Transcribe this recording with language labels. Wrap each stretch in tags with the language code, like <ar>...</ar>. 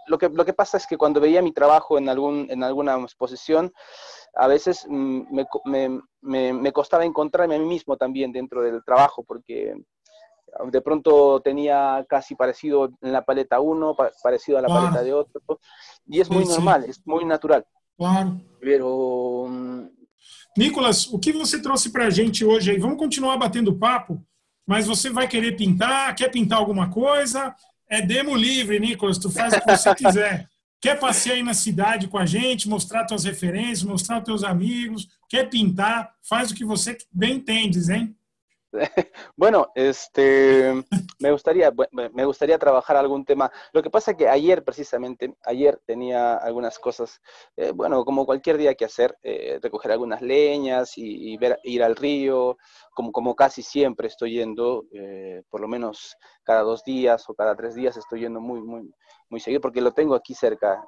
<es>Lo que pasa es que cuando veía mi trabajo en alguna exposición, a veces me costaba encontrarme a mí mismo también dentro del trabajo, porque de pronto tenía casi parecido en la paleta uno, parecido a la paleta de otro. Y es muy normal, es muy natural. Claro. Pero...</es> <pt>Nicolas, o que você trouxe para a gente hoje aí? Vamos continuar batendo papo, mas você vai querer pintar, quer pintar alguma coisa? É demo livre, Nicolas, tu faz o que você quiser. Quer passear aí na cidade com a gente, mostrar tuas referências, mostrar os teus amigos, quer pintar, faz o que você bem entendes, hein?</pt> <es>Bueno, me gustaría trabajar algún tema. Lo que pasa es que ayer tenía algunas cosas, bueno, como cualquier día que hacer, recoger algunas leñas ir al río, como casi siempre estoy yendo, por lo menos cada 2 días o cada 3 días estoy yendo muy, muy, muy seguido, porque lo tengo aquí cerca.</es>